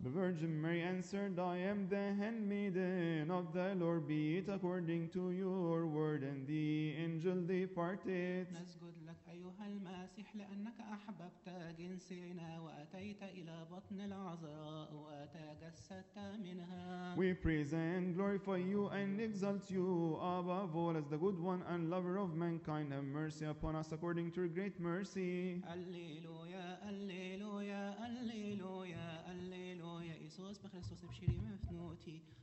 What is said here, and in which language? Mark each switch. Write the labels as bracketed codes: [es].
[en] The Virgin Mary answered, I am the handmaiden of the Lord, be it according to your word. And the angel departed. [ar] نسجد لك أيها المسيح لأنك أحببت جنسنا وأتيت إلى بطن العذراء وتجسدت منها. [en] We praise and glorify you and exalt you above all as the good one and lover of mankind. Have mercy upon us according to your great mercy. Alleluia, Alleluia, Alleluia, Alleluia. Jesus, by Christus, ebshiri mefnuti.